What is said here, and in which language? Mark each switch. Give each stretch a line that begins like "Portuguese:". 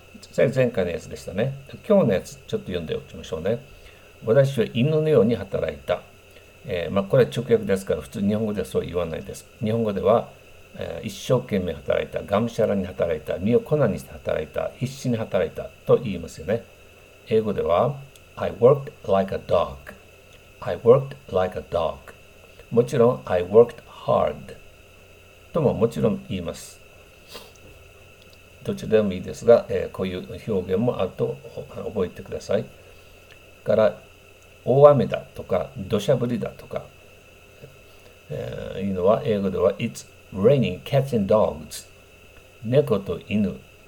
Japanese: それ前回のやつでしたね。今日のやつちょっと読んでおきましょうね。私は犬のように働いた。これは直訳ですから、普通日本語ではそう言わないです。日本語では、一生懸命働いた、がむしゃらに働いた、身を粉にして働いた、必死に働いたと言いますよね。英語では、
English: I worked like a dog. I worked like a dog. もちろん、I worked hard.
Japanese: とももちろん言います。どちらでもいいですが、こういう表現もあと覚えてください。から、大雨だとか、土砂降りだとか、いうのは、英語では、
English: It's raining cats and dogs.
Japanese: 猫と犬。